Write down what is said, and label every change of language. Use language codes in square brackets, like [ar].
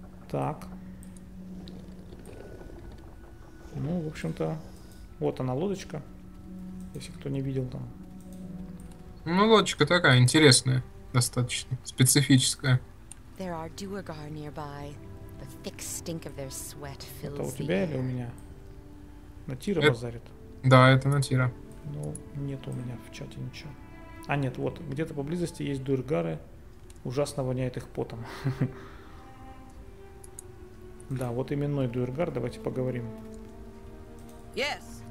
[ru] Так. Ну, в общем-то... Вот она, лодочка. Если кто не видел там. Ну, лодочка такая интересная, достаточно специфическая. [en] There are duergar nearby. The thick stink of their sweat fills the air. [ru] Это у тебя или у меня? Натира базарит. Да, это Натира. Ну, нет у меня в чате ничего. А нет, вот где-то поблизости есть дуергары. Ужасно воняет их потом. Да, вот именной дуергар. Давайте поговорим. [en] Yes.